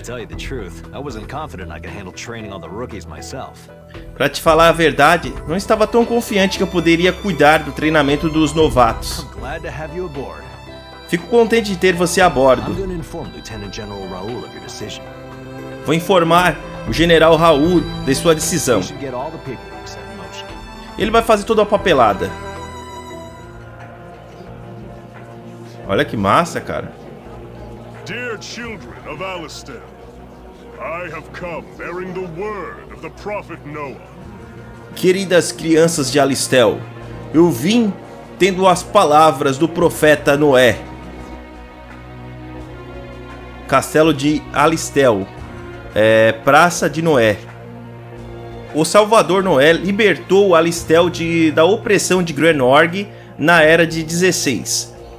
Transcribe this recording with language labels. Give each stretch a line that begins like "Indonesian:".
English: To tell you the truth, I wasn't confident I could handle training all the rookies myself.
Portuguese: Pra te falar a verdade, não estava tão confiante que eu poderia cuidar do treinamento dos novatos.
English: I'm glad to have you aboard.
Portuguese: Fico contente de ter você a bordo.
English: I'm gonna inform Lieutenant General Raul of your decision.
Portuguese: Vou informar o General Raul de sua decisão.
English: You should get all the paperwork set in motion.
Portuguese: Ele vai fazer toda a papelada. Olha que massa, cara.
English: Dear children of Alistair, I have come bearing the word of the prophet Noah.
Portuguese: Queridas crianças de Alistel, eu vim tendo as palavras do profeta Noé. Castelo de Alistel, Praça de Noé. O Salvador Noé libertou Alistel da opressão de Grenorg na Era de 16.